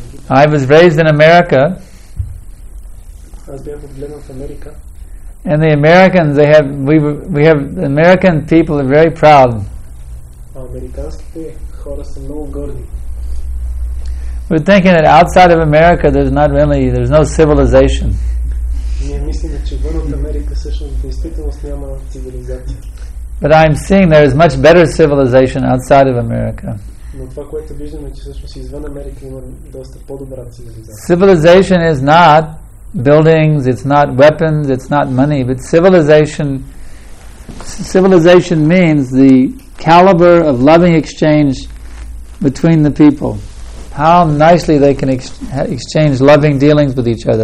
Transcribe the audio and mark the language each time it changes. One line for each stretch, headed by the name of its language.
English: I was raised in America. And the Americans, we have American people are very proud.
Bulgarian: Американските хора са много горди.
English: We're thinking that outside of America there's no civilization.
Bulgarian: Ние мислим, че вън от Америка всъщност действително няма цивилизация.
English: But I'm seeing there is much better civilization outside of America.
Bulgarian: Но това, което виждаме, че всъщност извън Америка има доста по-добра цивилизация.
English: Civilization is not buildings, it's not weapons, it's not money, but civilization means the caliber of loving exchange between the people. How nicely they can exchange loving dealings with each other.